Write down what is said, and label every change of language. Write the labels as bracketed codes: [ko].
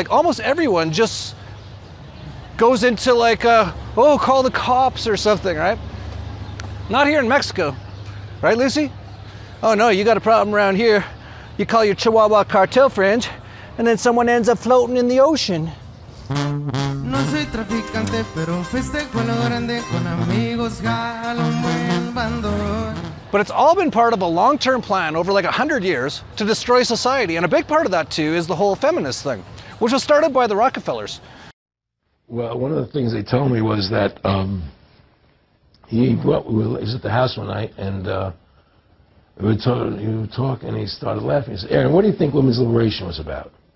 [en] Like, almost everyone just goes into, like, call the cops or something, right? Not here in Mexico. Right, Lucy? Oh, no, you got a problem around here. You call your Chihuahua cartel friend, and then someone ends up floating in the ocean. [es] No soy traficante, pero festejo lo grande con amigos, jalo un buen bandol. [en] But it's all been part of a long-term plan over like 100 years to destroy society. And a big part of that, too, is the whole feminist thing, which was started by the Rockefellers. Well, one of the things they told me was that he was at the house one night, and we were talking, and he started laughing. He said, Aaron, what do you think women's liberation was about?